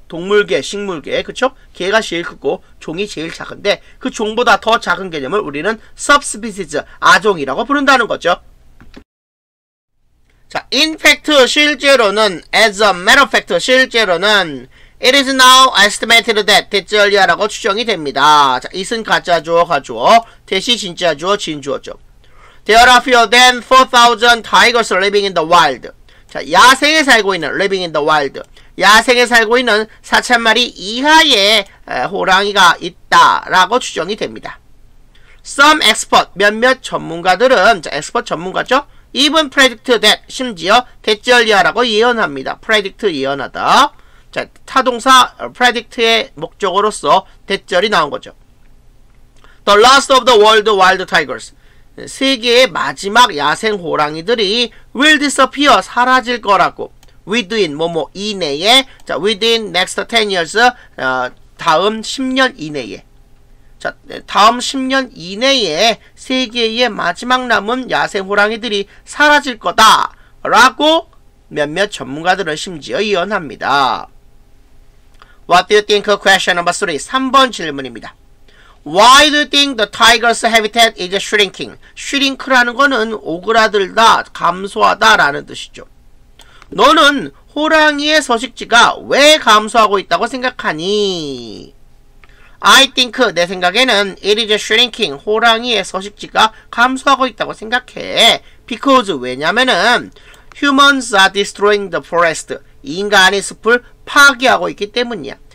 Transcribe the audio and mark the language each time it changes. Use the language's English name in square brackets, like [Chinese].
[Korean] 동물계, 식물계, 그쵸? 개가 제일 크고 종이 제일 작은데 그 종보다 더 작은 개념을 우리는 subspecies, 아종이라고 부른다는 거죠. 자, [English] in fact, [Korean] 실제로는, [English] as a matter of fact, [Korean] 실제로는 [English] it is now estimated that, [Korean] 대절이야라고 추정이 됩니다. 자, is은 가짜주어, 가주어, 대시 진짜주어, 진주어죠. [English] There are fewer than 4,000 tigers living in the wild. [Korean] 자, 야생에 살고 있는, [English] living in the wild. [Korean] 야생에 살고 있는 4,000마리 이하의 호랑이가 있다라고 추정이 됩니다. Some expert, 몇몇 전문가들은, 자, expert 전문가죠? [English] Even predict that, [Korean] 심지어 대절이야라고 예언합니다. Predict, 예언하다. 자, 타동사 predict의 목적으로서 대절이 나온 거죠. [English] The last of the world wild tigers. [Korean] 세계의 마지막 야생 호랑이들이 [English] will disappear, [Korean] 사라질 거라고. Within, 뭐뭐 이내에. 자, [English] within next 10 years, [Korean] 다음 10년 이내에. 자, 다음 10년 이내에 세계의 마지막 남은 야생 호랑이들이 사라질 거다 라고 몇몇 전문가들은 심지어 예언합니다. [English] What do you think? Question number 3. [Korean] 3번 질문입니다. [English] Why do you think the tiger's habitat is shrinking? [Korean] Shrink라는 거는 오그라들다, 감소하다 라는 뜻이죠. 너는 호랑이의 서식지가 왜 감소하고 있다고 생각하니? [English] I think, [Korean] 내 생각에는 [English] it is shrinking, [Korean] 호랑이의 서식지가 감소하고 있다고 생각해. Because, 왜냐면은 [English] humans are destroying the forest, [Korean] 인간이 숲을 파괴하고 있기 때문이야.